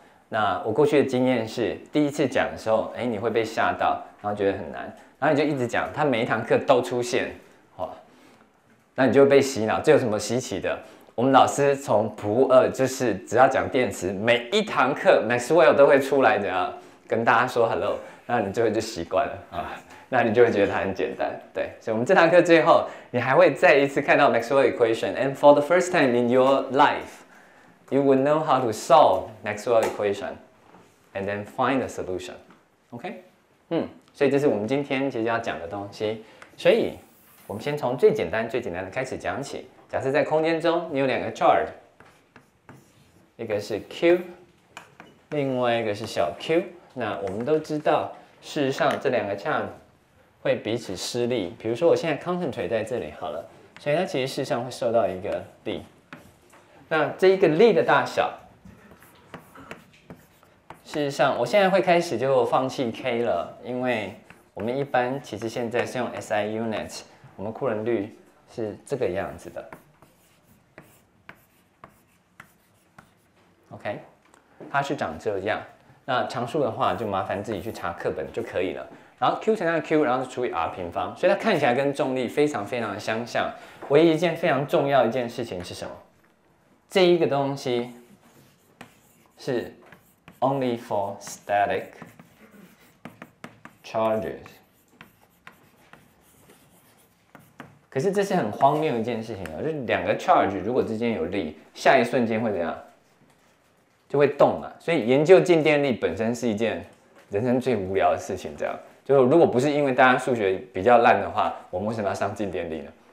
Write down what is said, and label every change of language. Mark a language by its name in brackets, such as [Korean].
[Chinese] 那我过去的经验是第一次讲的时候，哎，你会被吓到，然后觉得很难，然后你就一直讲，他每一堂课都出现，那你就会被洗脑。这有什么稀奇的？我们老师从普物二就是只要讲电磁，每一堂课 Maxwell 都会出来怎样跟大家说 hello， 那你就会就习惯了，那你就会觉得它很简单。对，所以我们这堂课最后你还会再一次看到 [English] Maxwell equation， and for the first time in your life you will know how to solve Maxwell equation and then find a solution。 [Chinese] OK， 所以这是我们今天其实要讲的东西。所以我们先从最简单最简单的开始讲起。假设在空间中你有两个 charge， 一个是 Q， 另外一个是小 Q。那我们都知道事实上这两个 charge会彼此施力，比如说我现在 concentrate 在这里好了，所以它其实事实上会受到一个力。那这一个力的大小，事实上我现在会开始就放弃 K 了，因为我们一般其实现在是用 SI unit， 我们库仑率是这个样子的。 OK， 它是长这样。那常数的话就麻烦自己去查课本就可以了。然后 Q 乘上 Q， 然后是除以 R 平方，所以它看起来跟重力非常非常的相像。唯一一件非常重要一件事情是什么？这一个东西是 [English] only for static charges。 [Chinese] 可是这是很荒谬一件事情，就是两个 charge 如果之间有力，下一瞬间会怎样？就会动嘛。所以研究静电力本身是一件人生最无聊的事情这样。就如果不是因为大家数学比较烂的话，我们为什么要上静电力呢？